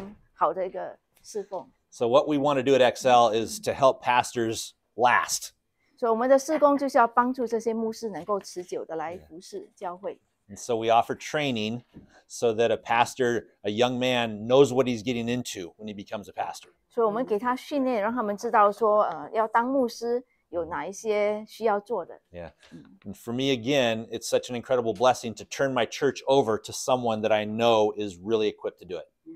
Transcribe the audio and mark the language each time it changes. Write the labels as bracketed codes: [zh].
[zh] 但是要是神呼召你，那是非常好的一个侍奉。 [en] So what we want to do at XL is to help pastors last. [zh] 所以我们的事工就是要帮助这些牧师能够持久的来服事教会。 [en] And so we offer training so that a pastor, a young man, knows what he's getting into when he becomes a pastor. [zh] 所以我们给他训练，让他们知道说，要当牧师有哪一些需要做的。 [en] Yeah. And for me, again, it's such an incredible blessing to turn my church over to someone that I know is really equipped to do it.